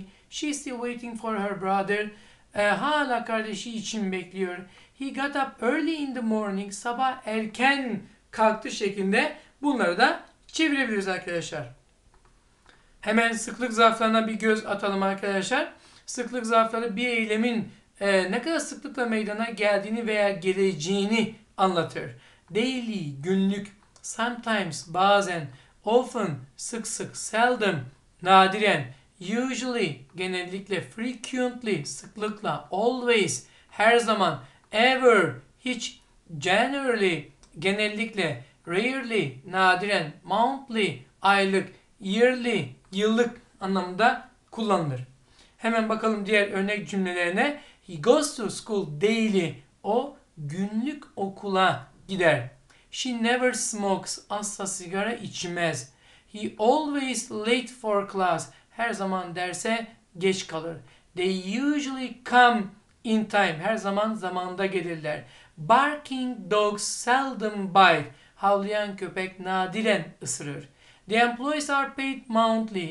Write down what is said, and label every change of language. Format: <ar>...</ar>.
<en>She's still waiting for her brother.</en> <tr>Hala kardeşi için bekliyor.</tr> <en>He got up early in the morning.</en> <tr>Sabah erken kalktı şeklinde bunları da çevirebiliriz arkadaşlar. Hemen sıklık zarflarına bir göz atalım arkadaşlar. Sıklık zarfları bir eylemin ne kadar sıklıkla meydana geldiğini veya geleceğini anlatır. Daily, günlük, sometimes, bazen, often, sık sık, seldom, nadiren, usually, genellikle, frequently, sıklıkla, always, her zaman, ever, hiç, generally, genellikle, rarely, nadiren, monthly, aylık, yearly, yıllık anlamında kullanılır. Hemen bakalım diğer örnek cümlelerine.</tr> <en>He goes to school daily.</en> <tr>O günlük okula gider.</tr> <en>She never smokes.</en> <tr>Asla sigara içmez.</tr> <en>He always late for class.</en> <tr>Her zaman derse geç kalır.</tr> <en>They usually come in time.</en> <tr>Her zaman zamanda gelirler.</tr> <en>Barking dogs seldom bite.</en> <tr>Havlayan köpek nadiren ısırır.</tr> <en>The employees are paid monthly.</en>